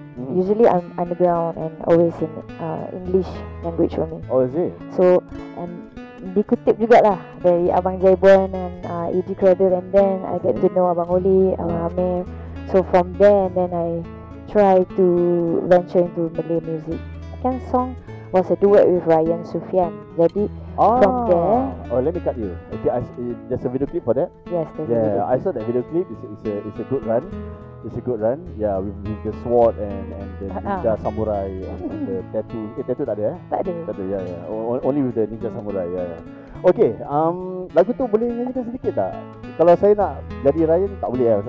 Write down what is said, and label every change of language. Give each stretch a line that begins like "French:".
English: Usually I'm underground and always in English language only. Oh, is it? So, and
Malay: dikutip jugalah dari Abang Jaibuan and E.G.
English: Cradle, and then I get to know Abang Oli, Abang Amir. So from there, and then I try to venture into Malay music. Ken song was a duet with Ryan Sufian.
Malay: Jadi
English: from there. Oh, let me cut you. Okay, there's a video clip for that. Yes, there's a video clip. I saw that video clip. It's a good run. It's a good run. Yeah, with the sword and the ninja samurai and the tattoo.
Malay: Eh, tattoo tak ada eh? Tak ada. Tak ada,
English: yeah, yeah. Only with the ninja samurai, yeah, yeah.
Malay: Okay, lagu tu boleh nyanyikan sedikit tak? Kalau saya nak jadi Ryan, tak boleh eh.